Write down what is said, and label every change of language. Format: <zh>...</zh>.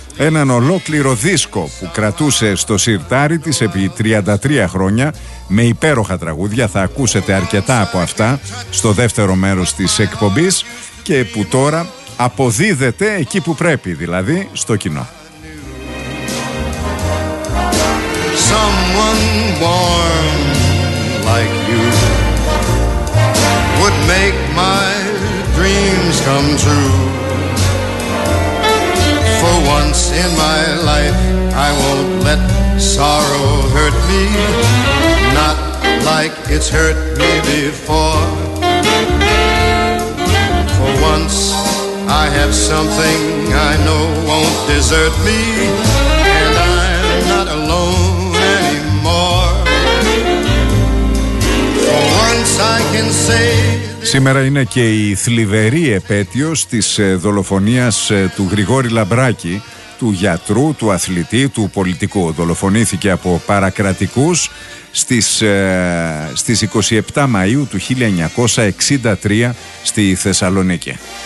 <el>Έναν ολόκληρο δίσκο που κρατούσε στο σιρτάρι της επί 33 χρόνια με υπέροχα τραγούδια. Θα ακούσετε αρκετά από αυτά στο δεύτερο μέρος της εκπομπής και που τώρα αποδίδεται εκεί που πρέπει, δηλαδή στο κοινό.</el> <en>Someone born like you would make my dreams come true. For once in my life, I won't let sorrow hurt me. Not like it's hurt me before. For once, I have something I know won't desert me. And I'm not alone anymore. For once, I can say.</en> <el>Σήμερα είναι και η θλιβερή επέτειος της δολοφονίας του Γρηγόρη Λαμπράκη, του γιατρού, του αθλητή, του πολιτικού. Δολοφονήθηκε από παρακρατικούς στις 27 Μαΐου του 1963 στη Θεσσαλονίκη.</el>